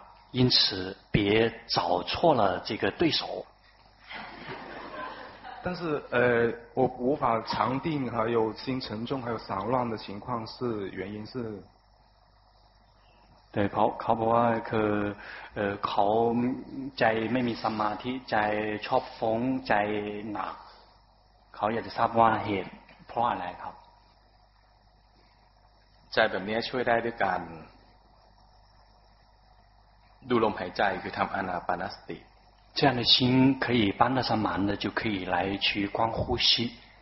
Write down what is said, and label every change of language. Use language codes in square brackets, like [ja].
[zh] 因此别找错了这个对手。但是我无法常定，还有心沉重，还有散乱的情况，是原因是 [th] 对，เขาบอกว่าคือเขาใจไม่มีสมาธิใจชอบฟุ้งใจหนักเขาอยากจะทราบว่าเหตุเพราะอะไรครับ ใจแบบนี้ช่วยได้ด้วยการดูลมหายใจคือทำอนาปานสติ [zh] 这样的心可以帮得上忙的就可以来去光呼吸